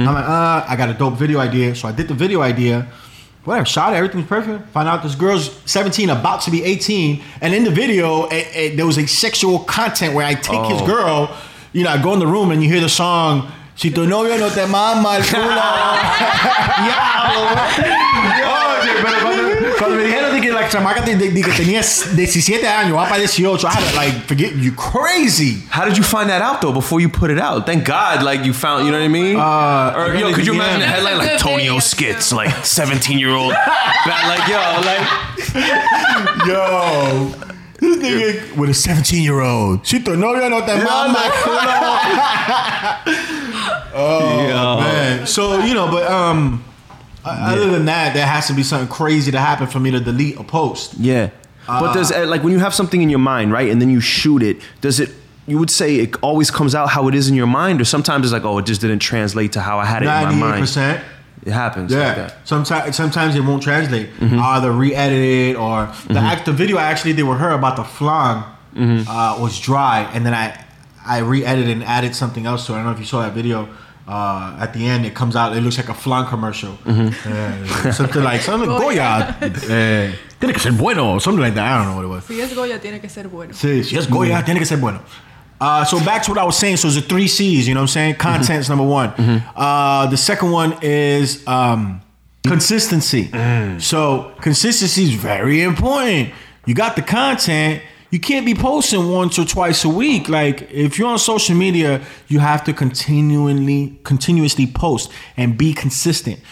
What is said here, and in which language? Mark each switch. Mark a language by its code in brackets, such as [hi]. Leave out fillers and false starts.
[en] I'm like, I got a dope video idea. So I did the video idea. Whatever, shot it, everything's perfect. Find out this girl's 17, about to be 18, and in the video there was a sexual content where I take his girl. You know, I go in the room and you hear the song [es] Si tu novio no te mama el culo. Diablo. Oye, pero cuando me dijeron de que la chamaca de que tenía 17 años, va para 18, [en] I like, forget, you crazy. How did you find that out, though, before you put it out? Thank God, like, you found, you know what I mean? Or, yo, could you imagine a headline like Tonio Skits, like, 17-year-old. Like, yo, like. Yo. This nigga with a 17-year-old. She thought, no, you're not that mom. Oh, man. So, you know, but other than that, there has to be something crazy to happen for me to delete a post. Yeah. But does, like, when you have something in your mind, right, and then you shoot it, does it, you would say it always comes out how it is in your mind, or sometimes it's like, oh, it just didn't translate to how I had it in my mind? 98%. It happens. Yeah. Like that. Sometimes it won't translate. Mm-hmm. Either re-edit it or the the video I actually did with her about the flan was dry, and then I re-edited and added something else to it. I don't know if you saw that video. At the end, it comes out. It looks like a flan commercial. Mm-hmm. Yeah, something like something Goya. [es] Tiene que ser bueno. [en] Something like that. I don't know what it was. [es] Si es Goya, tiene que ser bueno. Si es Goya, tiene que ser bueno. [en] So back to what I was saying. So it's the three C's. You know what I'm saying? Content's number one. The second one is consistency. So consistency is very important. You got the content. You can't be posting once or twice a week. Like, if you're on social media, you have to continuously post and be consistent.